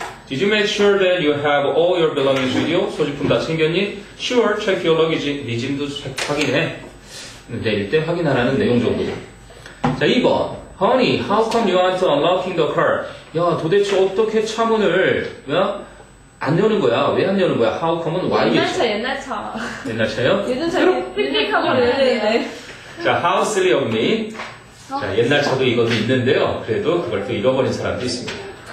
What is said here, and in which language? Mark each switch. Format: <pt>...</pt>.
<en>Did you make sure that you have all your belongings with you?</en> <ko>소지품 다 챙겼니? Sure.</ko> <en>Check your luggage.</en> <ko>네 짐도 확인해. 내릴 때 확인하라는 내용 정도. 자, 2번.</ko> <en>Honey, how come you aren't unlocking the car?</en> <ko>야, 도대체 어떻게 차 문을, 야? 안 여는 거야. 왜 안 여는 거야? How come은 why? 옛날 차, 옛날 차. 옛날 차요? 예전 차에 삑삑 하고 내리네.</ko> <en>자, how silly of me.</en> <ko>자, 옛날 차도 이것도 있는데요. 그래도 그걸 또 잃어버린 사람도 있습니다.</ko>